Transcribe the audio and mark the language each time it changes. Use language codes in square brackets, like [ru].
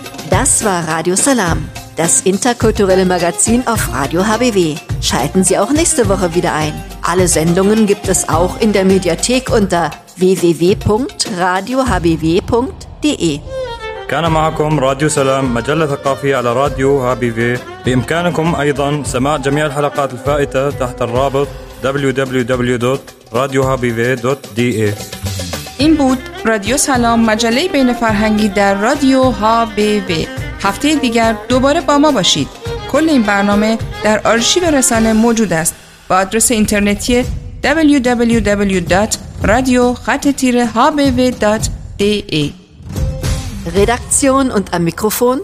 [de] Das war Radio Salam, das interkulturelle Magazin auf Radio HBW. Schalten Sie auch nächste Woche wieder ein. Alle Sendungen gibt es auch in der Mediathek unter www.radiohbw.de. [ar] كان معكم راديو سلام مجلة ثقافية على راديو HBW. بإمكانكم أيضا سماع جميع الحلقات الفائتة تحت الرابط www.radiohbw.de. [fa] این بود رادیو سلام مجله بین فرهنگی در رادیو HBW. هفته دیگر دوباره با ما باشید. کل این برنامه در آرشیو رسانه موجود است. [de] bei Adresse Internet hier www.radio-hbw.de. Redaktion und am Mikrofon.